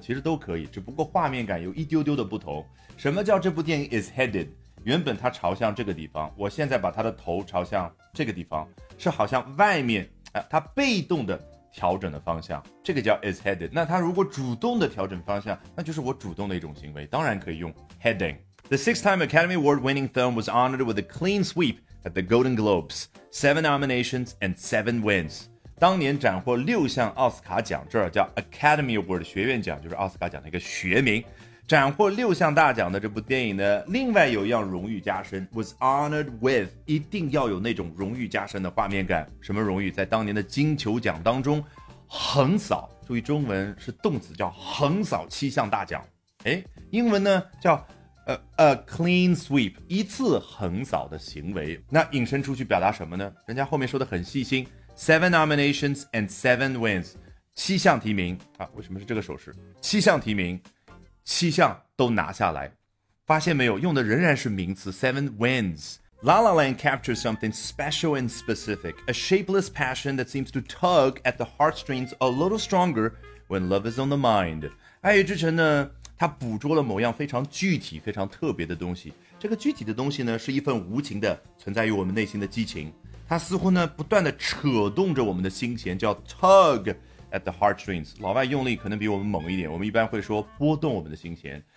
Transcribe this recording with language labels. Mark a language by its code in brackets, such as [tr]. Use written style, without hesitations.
[zh] 其实都可以，只不过画面感有一丢丢的不同。什么叫这部电影 is headed？原本它朝向这个地方，我现在把它的头朝向这个地方，是好像外面它被动的调整的方向，这个叫 is headed。那它如果主动的调整方向，那就是我主动的一种行为，当然可以用 heading。 [en] The six-time Academy Award winning film was honored with a clean sweep at the Golden Globes, 7 nominations and 7 wins。 [zh] 当年斩获六项奥斯卡奖，这儿叫 Academy Award 学院奖，就是奥斯卡奖的一个学名，斩获六项大奖的这部电影呢，另外有一样荣誉加身 ， [en] was honored with， [zh] 一定要有那种荣誉加身的画面感。什么荣誉？在当年的金球奖当中，横扫，注意中文是动词，叫横扫七项大奖。哎，英文呢叫 [en] a clean sweep， [zh] 一次横扫的行为。那引申出去表达什么呢？人家后面说的很细心 ， [en] 7 nominations and 7 wins， [zh] 七项提名啊？为什么是这个手势？七项提名。七项都拿下来，发现没有，用的仍然是名词 [en] seven wins。 La La Land captures something special and specific, a shapeless passion that seems to tug at the heartstrings a little stronger when love is on the mind。 [zh] 爱乐之城呢，它捕捉了某样非常具体非常特别的东西，这个具体的东西呢，是一份无情的存在于我们内心的激情，它似乎呢不断的扯动着我们的心弦，叫 [en] tug at the heartstrings， [zh] 老外用力可能比我们猛一点，我们一般会说拨动我们的心弦。